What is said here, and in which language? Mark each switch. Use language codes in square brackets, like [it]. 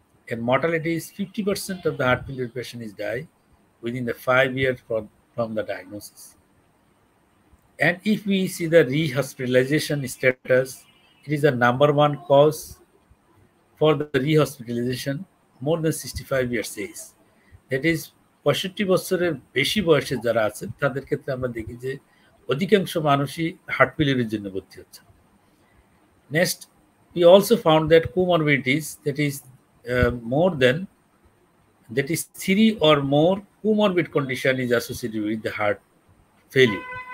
[en] And mortality is 50% of the heart failure patient is die within the 5 years from the diagnosis. And if we see the rehospitalization status, it is the number one cause for the rehospitalization more than 65 years age. That is, [bn] 65 বছরে বেশি বয়সে যারা আছে তাদের ক্ষেত্রে আমরা দেখি যে অধিকাংশ মানুষই হার্ট ফেলিয়ারের জন্য ভর্তি হচ্ছে. [en] Next, we also found that comorbidities, that is more than, that is 3 or more comorbid condition is associated with the heart failure.